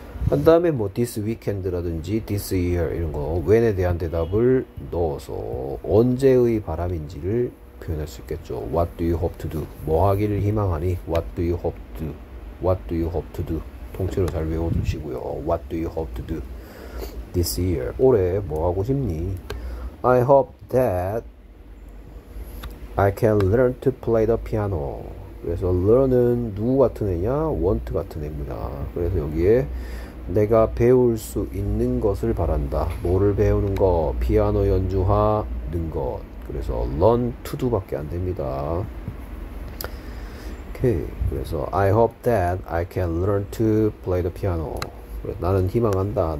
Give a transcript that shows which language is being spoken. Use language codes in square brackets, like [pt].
[ko] 한 다음에 뭐 [en] this weekend [ko] 라든지 [en] this year [ko] 이런 거 when에 대한 대답을 넣어서 언제의 바람인지를 표현할 수 있겠죠. [en] What do you hope to do? [ko] 뭐 하기를 희망하니? [en] What do you hope to do? What do you hope to do? [ko] 통째로 잘 외워두시고요. [en] What do you hope to do this year? [ko] 올해 뭐 하고 싶니? [en] I hope that I can learn to play the piano. [ko] 그래서 learn은 누구 같은 애냐? want 같은 애입니다. 그래서 여기에 내가 배울 수 있는 것을 바란다. 뭐를 배우는 거? 피아노 연주하는 것. 그래서 learn to do밖에 안 됩니다. 오케이. [en] 그래서 I hope that I can learn to play the piano. [ko] 나는 희망한다.